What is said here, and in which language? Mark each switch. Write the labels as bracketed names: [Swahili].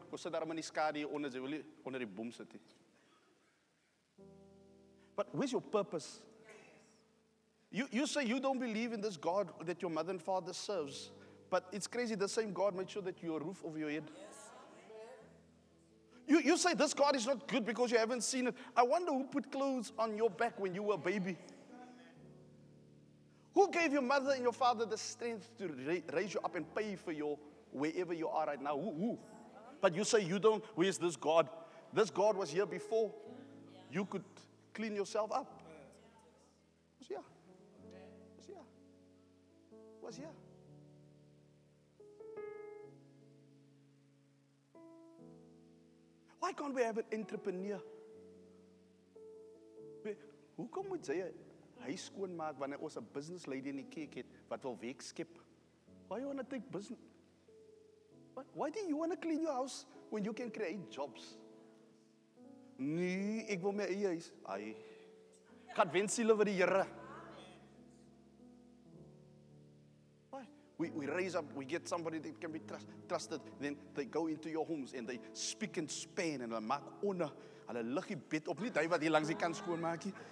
[Afrikaans] Ons sit daar in die skadu onder, jy wil nie onder die boom sit nie. [English] But where's your purpose? You say you don't believe in this God that your mother and father serves, but it's crazy, the same God made sure that you have a roof over your head. Yes. You say this God is not good because you haven't seen it. I wonder who put clothes on your back when you were a baby. Who gave your mother and your father the strength to raise you up and pay for your wherever you are right now? Who? But you say you don't, where's this God? This God was here before you could clean yourself up. So yeah. Was here. Why can't we have an entrepreneur? [Afrikaans] Hoe kom moet jy huis skoon maak wanneer ons 'n business lady in die kerk het wat wil werk skep? [English] Why you want to take business? Why do you want to clean your house when you can create jobs? [Afrikaans] Nee, ek wil my eie huis. [English] Ai. [Afrikaans] Gaan wen siele vir die Here. [English] We raise up, we get somebody that can be trusted. Then they go into your homes and they speak in Spain and they make honor. [Afrikaans] Hulle lig die bed op, nie daai wat hier langs die kant skoon maak nie.